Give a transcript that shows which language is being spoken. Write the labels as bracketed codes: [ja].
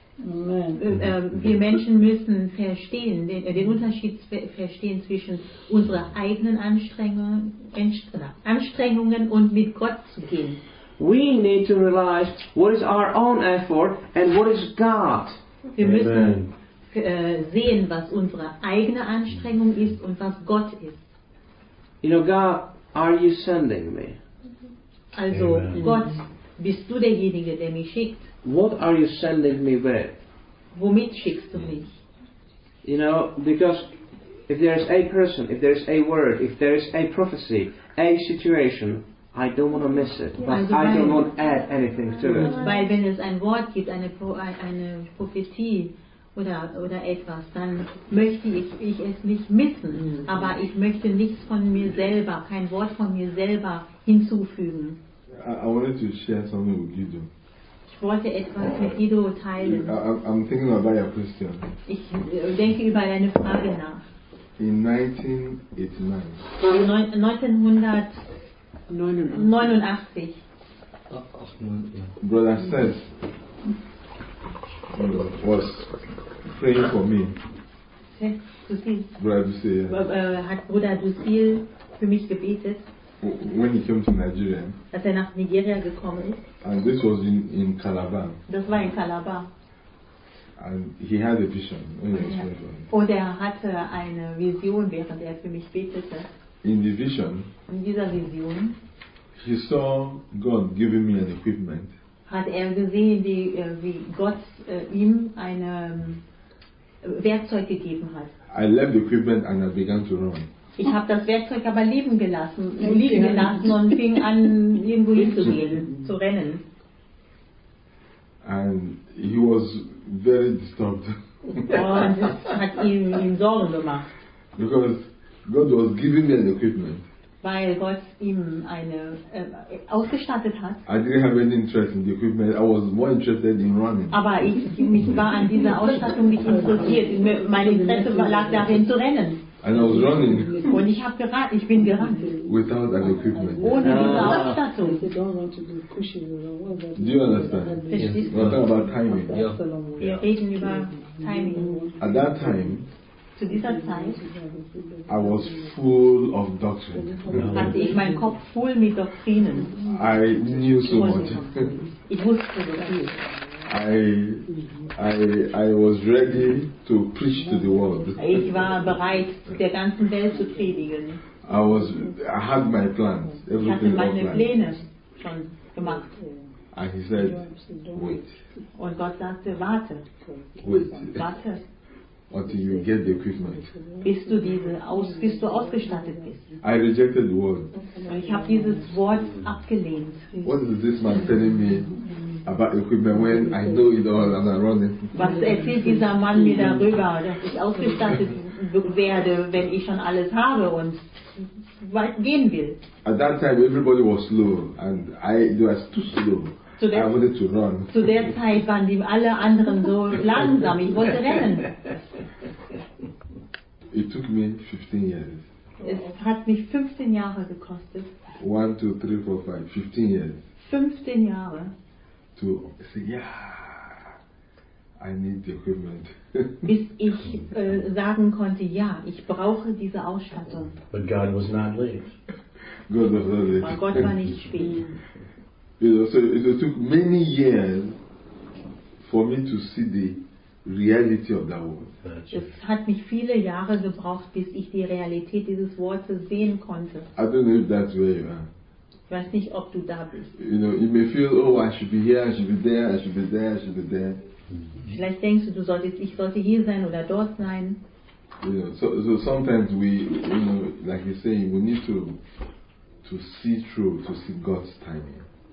[de] Wir Menschen müssen verstehen, den Unterschied verstehen zwischen unseren eigenen Anstrengungen und mit Gott zu gehen. [en] We need to realize what is our own effort and what is God. [de] Wir müssen sehen, was unsere eigene Anstrengung ist und was Gott ist. [en] You know, God, are you sending me? [de] Also, Amen. Gott, bist du derjenige, der mich schickt? [en] What are you sending me with? [de] Womit schickst du mich? [en] You know, because if there is a person, if there is a word, if there is a prophecy, a situation, I don't want to miss it. But also I don't want to add anything to it. [de] Weil wenn es ein Wort gibt, eine Prophetie oder etwas, dann möchte ich es nicht missen. Aber ich möchte nichts von mir selber, kein Wort von mir selber hinzufügen. [en] I wanted to share something with Guido. [de] Ich wollte etwas mit Guido teilen. [en] I'm thinking about your question. [de] Ich denke über deine Frage nach. [en] In 1989. [de] 1989. [en] Brother Seth was praying for me. [de] Hat Bruder Dusil für mich gebetet. [en] When he came to Nigeria, [de] dass er nach Nigeria gekommen ist. [en] And this was in Calabar. [de] Das war in Calabar. [en] And he had a vision when he was praying. [de] Oder hatte eine Vision, während für mich betete. [en] In the vision, [de] in dieser Vision, [en] he saw God giving me an equipment. [de] Hat gesehen, wie Gott ihm ein Werkzeug gegeben hat. [en] I left the equipment and I began to run. [de] Ich habe das Werkzeug aber liegen gelassen und fing an, irgendwo hinzugehen, zu rennen. [en] And he was very disturbed. [de] Und das hat ihm Sorgen gemacht. [en] Because God was giving me an equipment. [de] Weil Gott ihm eine ausgestattet hat. [en] I didn't have any interest in the equipment. I was more interested in running. [de] Aber mich war an dieser Ausstattung nicht interessiert. Mein Interesse lag darin zu rennen. [en] And I was running. [de] Und ich bin gerannt. [en] Without an equipment. [de] Ohne diese Ausstattung. [en] Do you understand? Yes. We're talking about timing. Yeah. [de] Yeah. Wir reden über timing. [en] At that time. [de] Zu dieser Zeit, [en] I was full of doctrine. [de] Hatte ich meinen Kopf voll mit Doktrinen. [en] I knew so much. [de] Ich wusste so viel. [en] I was ready to preach to the world. [de] Ich war bereit, der ganzen Welt zu predigen. [en] I had my plans. Everything [de] ich hatte meine Pläne schon gemacht. [en] And he said, wait. [de] Und Gott sagte, warte. [en] Wait. [de] Warte. [en] Until you get the equipment. [de] Bis du ausgestattet bist. [en] I rejected the word. [de] Ich habe dieses Wort abgelehnt. [en] What is this man telling me about equipment when I know it all and I'm running? [de] Was erzählt dieser Mann mir darüber, dass ich ausgestattet werde, wenn ich schon alles habe und weit gehen will? [en] At that time everybody was slow and I was too slow. I wanted to run. [de] Zu der Zeit waren die alle anderen so langsam. Ich wollte rennen. [en] It took me 15 years. [de] Es hat mich 15 Jahre gekostet. [en] 1, 2, 3, 4, 5, 15 years. [de] 15 Jahre. [en] To say, yeah, I need the equipment. [de] Bis ich sagen konnte, ja, ich brauche diese Ausstattung. [en] But God was not late. God was not late. [de] Aber Gott war nicht spät. [en] You know, so it took many years for me to see the reality of that word. [de] Es hat mich viele Jahre gebraucht, bis ich die Realität dieses Wortes sehen konnte. [en] I don't know if that's where you are. [de] Ich weiß nicht, ob du da bist. [en] You know, you may feel, oh, I should be here, I should be there, I should be there, I should be there. [de] Vielleicht denkst du, ich sollte hier sein oder dort sein. [en] You know, so sometimes we, you know, like you're saying, we need to see through, to see God's timing.